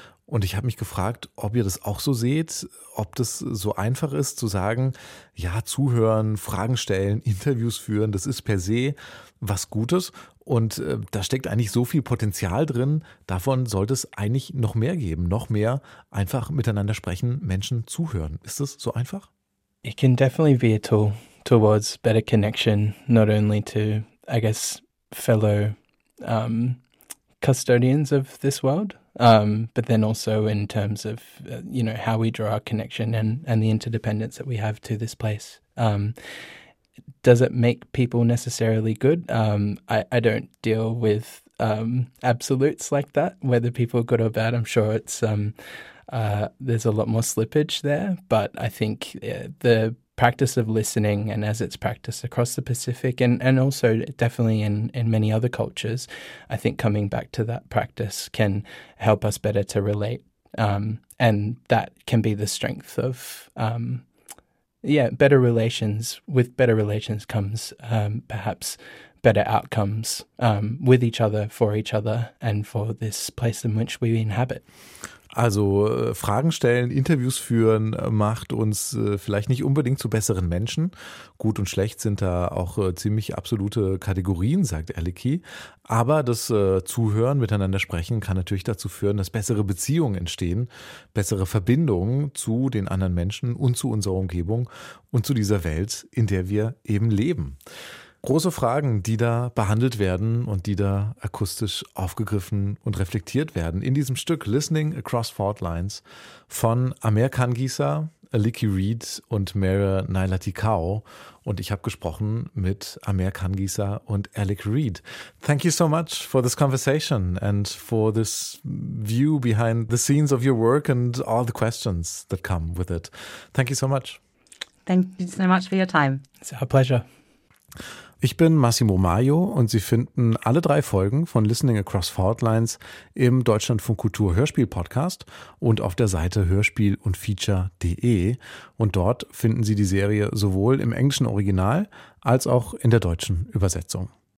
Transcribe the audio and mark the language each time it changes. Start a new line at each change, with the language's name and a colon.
German: Und ich habe mich gefragt, ob ihr das auch so seht, ob das so einfach ist zu sagen, ja, zuhören, Fragen stellen, Interviews führen, das ist per se was Gutes. Und da steckt eigentlich so viel Potenzial drin. Davon sollte es eigentlich noch mehr geben, noch mehr einfach miteinander sprechen, Menschen zuhören. Ist das so einfach?
English: It can definitely be a tool towards better connection, not only to, I guess, fellow custodians of this world, but then also in terms of, you know, how we draw our connection and the interdependence that we have to this place. Does it make people necessarily good? I don't deal with absolutes like that, whether people are good or bad. I'm sure it's... there's a lot more slippage there, but I think the practice of listening and as it's practiced across the Pacific and also definitely in many other cultures, I think coming back to that practice can help us better to relate. And that can be the strength of, better relations. With better relations comes perhaps better outcomes with each other, for each other and for this place in which we inhabit.
German: Also Fragen stellen, Interviews führen macht uns vielleicht nicht unbedingt zu besseren Menschen. Gut und schlecht sind da auch ziemlich absolute Kategorien, sagt Alecki. Aber das Zuhören, miteinander sprechen kann natürlich dazu führen, dass bessere Beziehungen entstehen, bessere Verbindungen zu den anderen Menschen und zu unserer Umgebung und zu dieser Welt, in der wir eben leben. Große Fragen, die da behandelt werden und die da akustisch aufgegriffen und reflektiert werden. In diesem Stück Listening Across Fault Lines von Amer Kangisa, Alecki Reed und Mary Nailatikau. Und ich habe gesprochen mit Amer Kangisa und Alecki Reed.
English: Thank you so much for this conversation and for this view behind the scenes of your work and all the questions that come with it. Thank you so much. Thank you so much for your time. It's our pleasure.
German: Ich bin Massimo Maio und Sie finden alle drei Folgen von Listening Across Fault Lines im Deutschlandfunk Kultur Hörspiel Podcast und auf der Seite hörspiel-und-feature.de. Und dort finden Sie die Serie sowohl im englischen Original als auch in der deutschen Übersetzung.